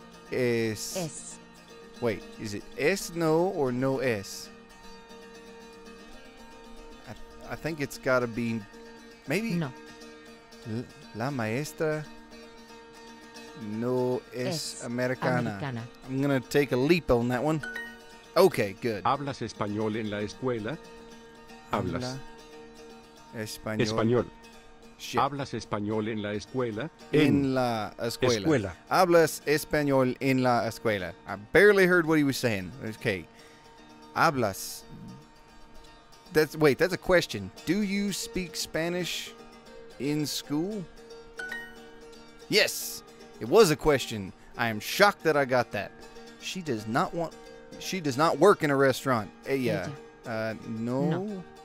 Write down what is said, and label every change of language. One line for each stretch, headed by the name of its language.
English: Es. Wait, is it
Spanish: es no
English: or
Spanish: no es?
English: I think it's got to be, maybe.
Spanish: No. La maestra no es americana.
English: I'm going to take a leap on that one. Okay, good.
Spanish: ¿Hablas español en la escuela? Hablas. Español.
English: Shit.
Spanish: ¿Hablas español en la escuela? En la escuela. Escuela. ¿Hablas español en la escuela?
English: I barely heard what he was saying. Okay.
Spanish: ¿Hablas?
English: That's a question. Do you speak Spanish in school? Yes, it was a question. I am shocked that I got that. She does not work in a restaurant.
Spanish: Ella. No.